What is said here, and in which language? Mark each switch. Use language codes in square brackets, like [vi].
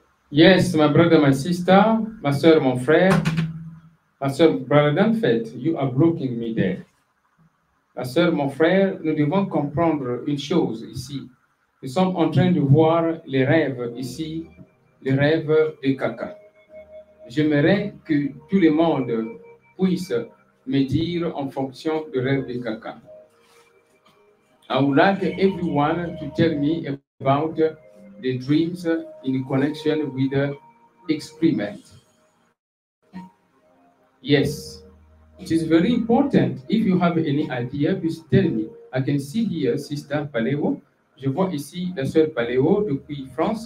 [en] Yes, my brother, my sister, my [fr] soeur, mon frère, ma soeur, [en] brother Danfait, you are blocking me there. [fr] Ma soeur, mon frère, nous devons comprendre une chose ici. Nous sommes en train de voir les rêves ici, les rêves de caca. J'aimerais que tout le monde puisse me dire en fonction du rêve de caca. [en] I would like everyone to tell me about the dreams in connection with the experiment. Yes, it is very important. If you have any idea, please tell me. I can see here Sister Paléo. [fr] Je vois ici la sœur Paléo depuis France.